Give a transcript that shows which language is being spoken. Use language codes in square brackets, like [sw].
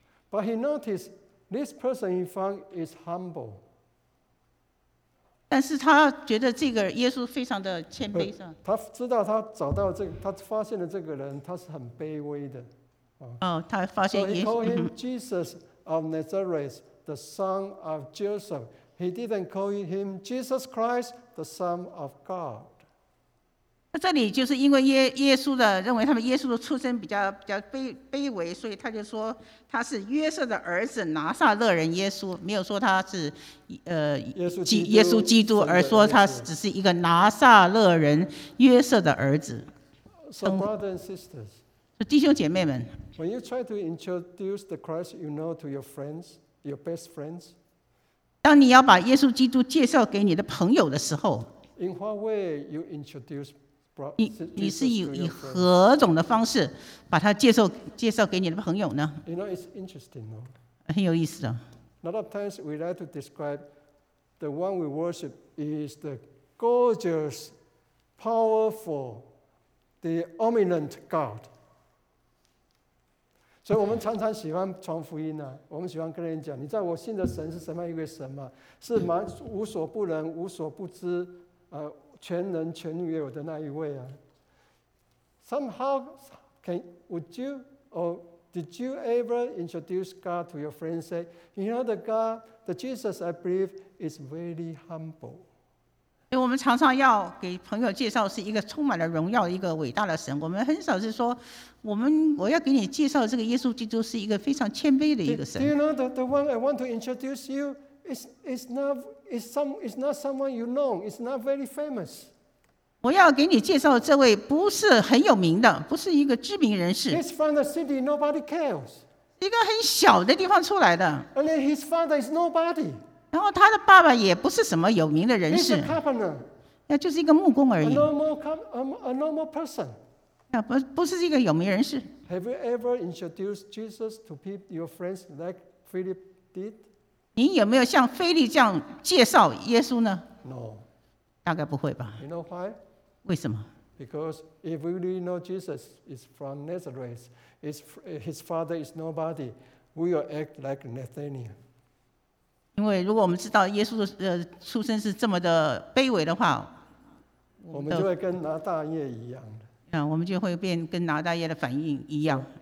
[en] But he noticed this person he found is humble. [zh] 但是他觉得这个耶稣非常的谦卑。他知道他找到这个，他发现了这个人，他是很卑微的。他发现耶稣。 [en] So he called him Jesus of Nazareth, the son of Joseph. He didn't call him Jesus Christ, the son of God. [zh] 这里就是因为耶稣的认为他们耶稣的出身比较卑微，所以他就说他是约瑟的儿子，拿撒勒人耶稣，没有说他是耶稣基督，而说他只是一个拿撒勒人约瑟的儿子。 [en] So brothers and sisters, [zh] 弟兄姐妹们 [en] ，When you try to introduce the Christ you know to your friends, your best friends, [zh] 当你要把耶稣基督介绍给你的朋友的时候 [en] ，In what way you introduce? [zh] 你是 以何种的方式把他介绍给你的朋友呢？ [en] You know, it's interesting, no? [zh] 很有意思的。 [en] A lot of times we like to describe the one we worship is the gorgeous, powerful, the omnipotent God. [zh] 所以我们常常喜欢传福音啊，我们喜欢跟人讲，你知道我信的神是什么一位神吗？是蛮无所不能、无所不知，全能全有的那一位啊。 [en] Somehow, would you or did you ever introduce God to your friend? Say, you know the God, the Jesus I believe is very humble. [zh] 我们常常要给朋友介绍是一个充满了荣耀、一个伟大的神。我们很少是说，我要给你介绍这个耶稣基督是一个非常谦卑的一个神。 [en] Do you know the one I want to introduce you is not someone you know. It's not very famous. [zh] 我要给你介绍这位不是很有名的，不是一个知名人士。 [en] He's from the city nobody cares. [zh] 一个很小的地方出来的。 [en] And then his father is nobody. [zh] 然后他的爸爸也不是什么有名的人士。 [en] He's a carpenter. [zh] 那就是一个木工而已。 [en] A normal person. [zh] 不是一个有名人士。 [en] Have you ever introduced Jesus to your friends like Philip did? [zh] 你有没有像腓力这样介绍耶稣呢 [en] ？No， [zh] 大概不会吧。 [en] You know why？ [zh] 为什么 [en] ？Because if we really know Jesus is from Nazareth, his father is nobody, we will act like Nathanael. [zh] 因为如果我们知道耶稣的出生是这么的卑微的话，我们就会跟拿大叶一样的。我们就会变跟拿大叶的反应一样。